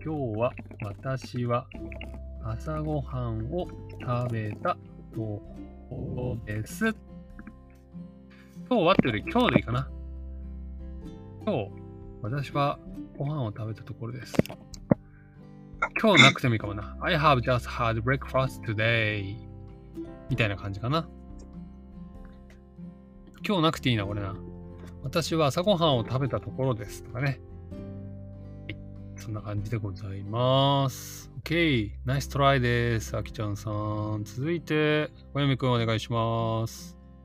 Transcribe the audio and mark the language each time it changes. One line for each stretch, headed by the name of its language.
Japanese: 今日は私は朝ごはんを食べたところです。今日はってより今日でいいかな。今日、私はご飯を食べたところです。今日なくてもいいかもな。
English: I have just had breakfast today.
Japanese: みたいな感じかな。今日なくていいな、これな。私は朝ごはんを食べたところですとかね。はい、そんな感じでございます。 OK、 ナイストライです。あきちゃんさん、続いて小山くんお願いします。